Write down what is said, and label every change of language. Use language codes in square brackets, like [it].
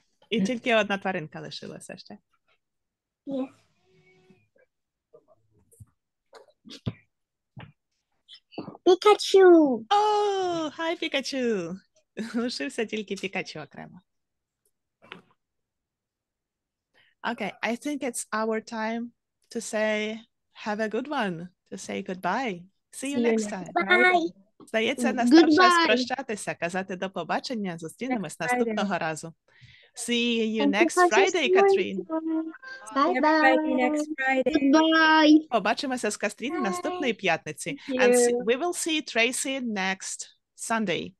[uk] І тільки одна тваринка лишилася ще. [en] Yes. [uk] Пікачу! О, хай, Пікачу! Лишився тільки Пікачу окремо. [en] Okay, I think it's our time to say have a good one, to say goodbye. See you next time. Bye. [uk] Здається, настав час прощатися, казати до побачення, зустрінемось наступного разу. [en] See you next Friday, Катрін. Bye-bye. Next Friday. Goodbye. [uk] Побачимося з Катрін наступної п'ятниці. [en] And we will see Tracy next Sunday.